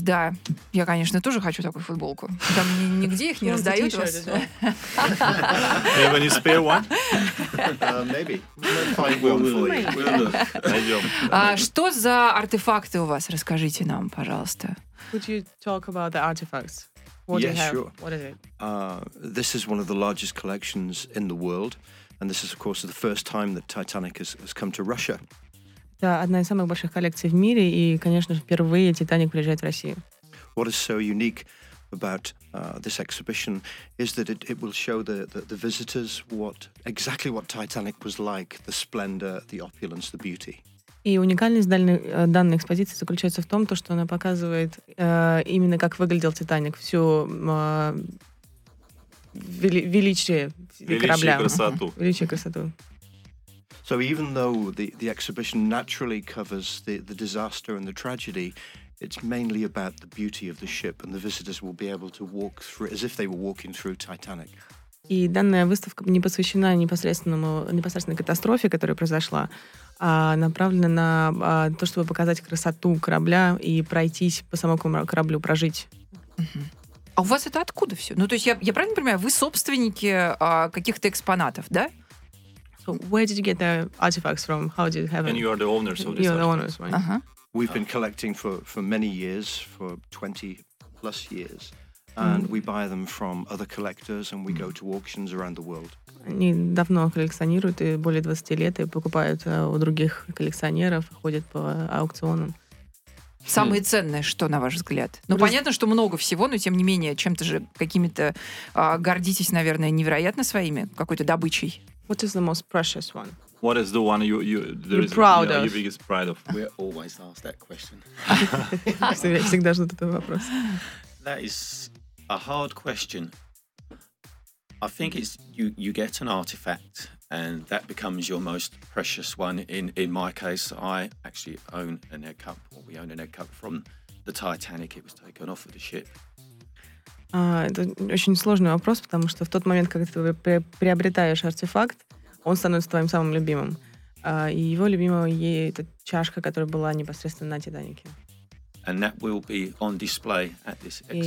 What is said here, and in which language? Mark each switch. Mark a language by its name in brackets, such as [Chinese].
[Russian] Да, я, конечно, тоже хочу такую футболку. Там нигде их не раздают. [English] Have any spare one? Maybe. [Russian] Найдем. Что за артефакты у вас? Расскажите нам, пожалуйста. [English] Could you talk about the artifacts? Yeah, sure. What is it? This is one of the largest collections in the world, and this is, of course, the first time that Titanic has come to Russia. [Russian] Это одна из самых больших коллекций в мире, и, конечно же, впервые «Титаник» приезжает в Россию. [English] What is so unique about this exhibition is that it will show the visitors what exactly what Titanic was like, the splendor, the opulence, the beauty. [Russian] И уникальность данной экспозиции заключается в том, что она показывает именно как выглядел «Титаник», всю величие корабля. Величие и красоту. [English] So even though the exhibition naturally covers the disaster and the tragedy, it's mainly about the beauty of the ship, and the visitors will be able to walk through as if they were walking through Titanic. [Russian] И данная выставка не посвящена непосредственной катастрофе, которая произошла, а направлена на то, чтобы показать красоту корабля и пройтись по самому кораблю, прожить. А у вас это откуда все? Ну, то есть я правильно понимаю, вы собственники каких-то экспонатов, да? [English] So where did you get the artifacts from? How did you have them? And you are the owners of this. You are the owners, right? Uh-huh. We've been collecting for many years, for 20 plus years, and we buy them from other collectors and we go to auctions around the world. [Russian] Они давно коллекционируют и более 20 лет и покупают у других коллекционеров, ходят по аукционам. Самое ценное, что, на ваш взгляд? Ну, понятно, что много всего, но, тем не менее, чем-то же какими-то гордитесь, наверное, невероятно своими, какой-то добычей. [English] What is the most precious one? What is the one you're biggest pride of? We're always asked that question. [Russian] Всегда ждут этот вопрос. [English] That is a hard question. I think it's you get an artifact and that becomes your most precious one. In my case, I actually own an egg cup, or we own an egg cup from the Titanic. It was taken off of the ship. [Russian] Это очень сложный вопрос, потому что в тот момент, когда ты приобретаешь артефакт, он становится твоим самым любимым. И его любимого ей эта чашка, которая была непосредственно на Титанике. [English] And that will be on display at this exhibition.